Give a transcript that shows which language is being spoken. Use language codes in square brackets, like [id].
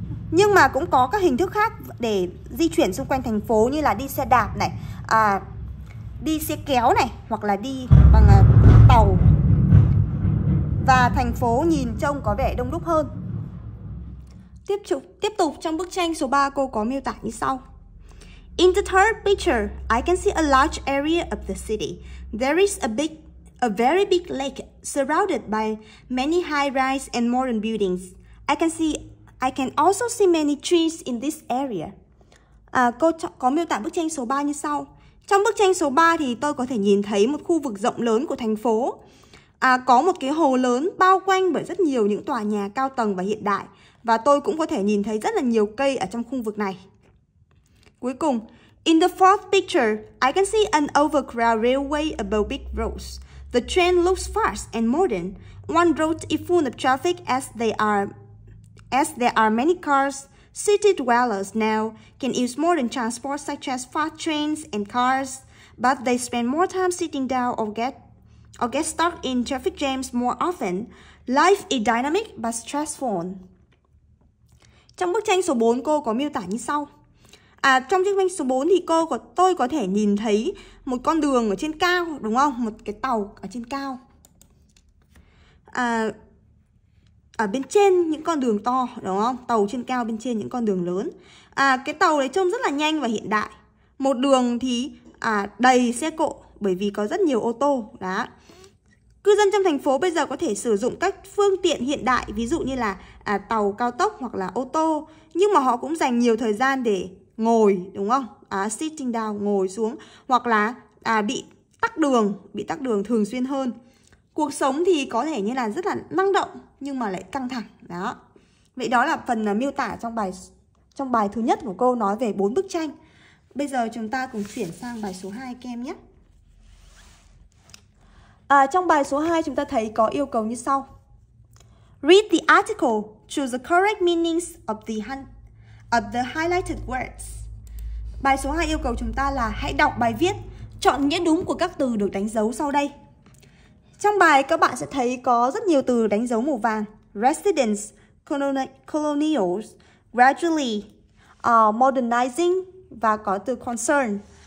[vi] Nhưng mà cũng có các hình thức khác để di chuyển xung quanh thành phố như là đi xe đạp này, đi xe kéo này, hoặc là đi bằng tàu. Và thành phố nhìn trông có vẻ đông đúc hơn. Tiếp tục trong bức tranh số 3, cô có miêu tả như sau. [en] In the third picture, I can see a large area of the city. There is a very big lake surrounded by many high-rise and modern buildings. I can also see many trees in this area. [vi] Cô có miêu tả bức tranh số 3 như sau. Trong bức tranh số 3 thì tôi có thể nhìn thấy một khu vực rộng lớn của thành phố. Có một cái hồ lớn bao quanh bởi rất nhiều những tòa nhà cao tầng và hiện đại. Và tôi cũng có thể nhìn thấy rất là nhiều cây ở trong khu vực này. Cuối cùng, [en] In the fourth picture, I can see an overcrowded railway above big roads. The train looks fast and modern. One road is full of traffic as there are many cars. City dwellers now can use modern transport such as fast trains and cars, but they spend more time sitting down or get stuck in traffic jams more often. Life is dynamic but stressful. [vi] Trong bức tranh số 4, cô có miêu tả như sau. Trong bức tranh số 4 thì tôi có thể nhìn thấy một con đường ở trên cao, đúng không? Một cái tàu ở trên cao. Ở bên trên những con đường to, đúng không? Tàu trên cao, bên trên những con đường lớn. Cái tàu đấy trông rất là nhanh và hiện đại. Một đường thì đầy xe cộ bởi vì có rất nhiều ô tô. Đó. Cư dân trong thành phố bây giờ có thể sử dụng các phương tiện hiện đại, ví dụ như là tàu cao tốc hoặc là ô tô. Nhưng mà họ cũng dành nhiều thời gian để ngồi, đúng không? [en] Sitting down, [vi] ngồi xuống. Hoặc là bị tắc đường thường xuyên hơn. Cuộc sống thì có thể như là rất là năng động nhưng mà lại căng thẳng. Đó. Vậy đó là phần miêu tả trong bài thứ nhất của cô nói về bốn bức tranh. Bây giờ chúng ta cùng chuyển sang bài số 2 kem nhé. Trong bài số 2 chúng ta thấy có yêu cầu như sau. [en] Read the article, choose the correct meanings of the highlighted words. [vi] Bài số 2 yêu cầu chúng ta là hãy đọc bài viết, chọn nghĩa đúng của các từ được đánh dấu sau đây. Trong bài các bạn sẽ thấy có rất nhiều từ đánh dấu màu vàng. Residents, colonials, gradually, modernizing và có từ concern.